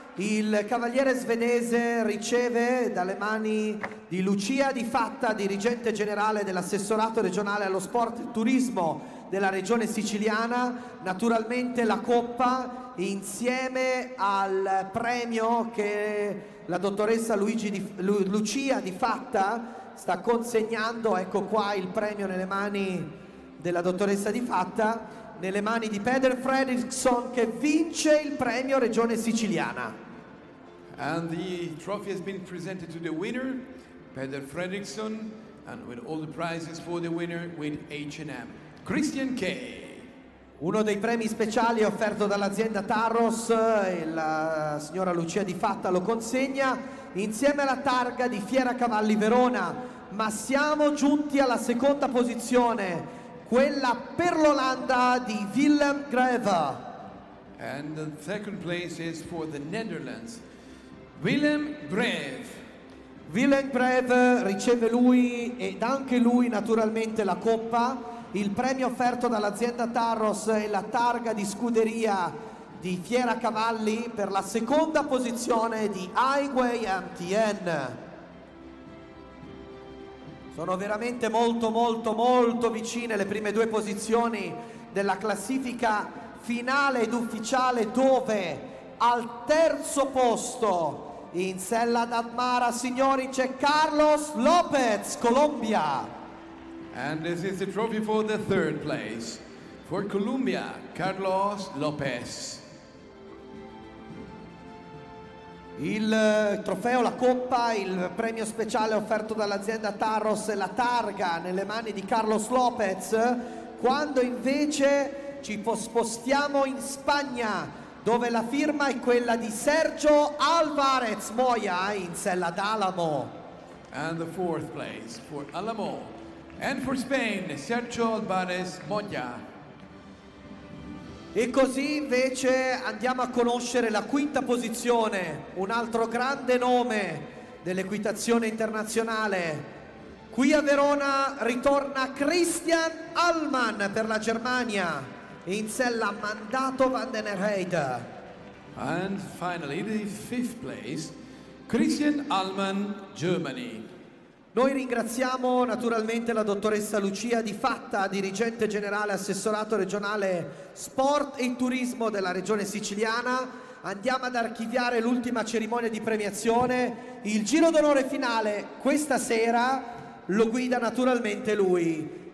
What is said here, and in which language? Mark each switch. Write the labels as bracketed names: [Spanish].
[Italian] Il cavaliere svedese riceve dalle mani di Lucia Di Fatta, dirigente generale dell'assessorato regionale allo sport e turismo della regione siciliana, naturalmente la coppa insieme al premio che la dottoressa Lucia Di Fatta sta consegnando. Ecco qua il premio nelle mani della dottoressa Di Fatta, nelle mani di Peder Fredriksson, che vince il premio Regione Siciliana. [English] And the trophy has been presented to the winner, Peder Fredriksson, and with all the prizes for the winner with H&M, Christian K. [Italian] Uno dei premi speciali offerto dall'azienda Tarros, e la signora Lucia Di Fatta lo consegna insieme alla targa di Fiera Cavalli Verona. Ma siamo giunti alla seconda posizione, quella per l'Olanda di Willem Greve. [English] And the second place is for the Netherlands, Willem Greve. [Italian] Willem Greve riceve lui ed anche lui naturalmente la coppa, il premio offerto dall'azienda Tarros e la targa di scuderia di Fiera Cavalli per la seconda posizione di Highway MTN. Sono veramente molto molto molto vicine le prime due posizioni della classifica finale ed ufficiale, dove al terzo posto in sella d'Atmara, signori, c'è Carlos Lopez, Colombia. [English] And this is the trophy for the third place for Colombia, Carlos Lopez. [Italian] Il trofeo, la coppa, il premio speciale offerto dall'azienda Tarros e la targa nelle mani di Carlos Lopez, quando invece ci spostiamo in Spagna, dove la firma è quella di Sergio Alvarez Moya in sella d'Alamo. [English] And the fourth place for Alamo. And for Spain, Sergio Alvarez Moya. [Italian] E così invece andiamo a conoscere la quinta posizione, un altro grande nome dell'equitazione internazionale. Qui a Verona ritorna Christian Allmann per la Germania, in sella Mandato van den Heide. [English] And finally the fifth place, Christian Allmann, Germany. [Italian] Noi ringraziamo naturalmente la dottoressa Lucia Di Fatta, dirigente generale assessorato regionale sport e turismo della regione siciliana. Andiamo ad archiviare l'ultima cerimonia di premiazione. Il giro d'onore finale questa sera lo guida naturalmente lui.